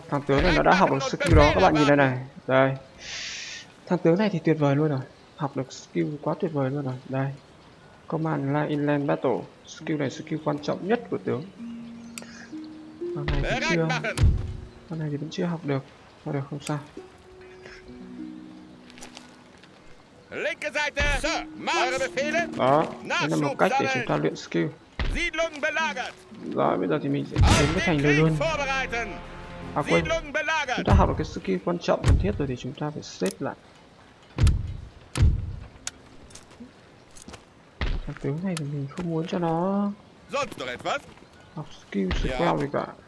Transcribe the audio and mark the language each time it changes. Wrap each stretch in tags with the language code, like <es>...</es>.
<vi>Thằng tướng này nó đã học được skill đó. Các bạn nhìn đây này. Đây. Thằng tướng này thì tuyệt vời luôn rồi. Học được skill quá tuyệt vời luôn rồi. Đây. Command Line Inland Battle. Skill này skill quan trọng nhất của tướng. Con này thì chưa. Con này thì vẫn chưa học được. Thôi được không sao.</vi> <de>Linke Seite, Sir, Befehle.</de> <vi>Đó, đây là một cách để chúng ta luyện skill.</vi> <de>Siedlung belagert.</de> <vi>Rồi, bây giờ thì mình sẽ đến cái thành này luôn. À quên, chúng ta học được cái skill quan trọng cần thiết rồi thì chúng ta phải xếp lại. Cái tướng này thì mình không muốn cho nó học skill spell gì cả.</vi>